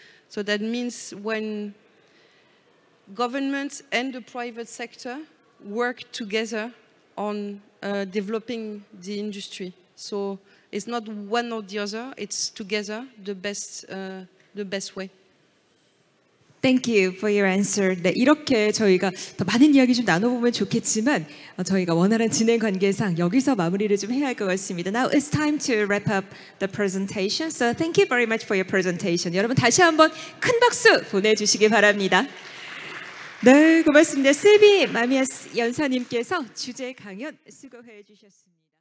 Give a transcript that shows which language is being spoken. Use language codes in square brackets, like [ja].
[en] So that means when governments and the private sector work together on developing the industry. So it's not one or the other, it's together the best way. Thank you for your answer. [ko] 네, 이렇게 저희가 더 많은 이야기 좀 나눠보면 좋겠지만 저희가 원활한 진행 관계상 여기서 마무리를 좀 해야 할 것 같습니다. [en] Now it's time to wrap up the presentation. So thank you very much for your presentation. [ko] 여러분 다시 한번 큰 박수 보내주시기 바랍니다. 네, 고맙습니다. 실비 마미아스 연사님께서 주제 강연 수고해 주셨습니다.